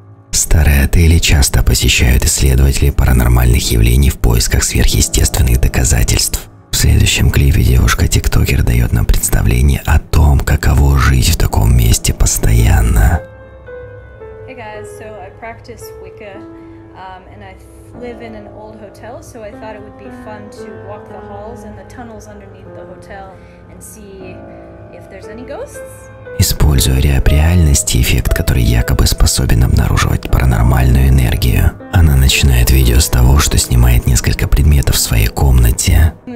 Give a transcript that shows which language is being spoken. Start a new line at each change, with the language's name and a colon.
Russian: Старые отели часто посещают исследователи паранормальных явлений в поисках сверхъестественных доказательств. В следующем клипе девушка-тиктокер дает нам представление о том, каково жить в таком месте постоянно.
English: Hey guys, so I practice Wicca, and I live in an old hotel, so I thought it would be fun to walk the halls and the tunnels underneath the hotel and see if there's any ghosts.
Russian: Используя ряб реальности, эффект, который якобы способен обнаруживать паранормальную энергию. Она начинает видео с того, что снимает несколько предметов в своей комнате.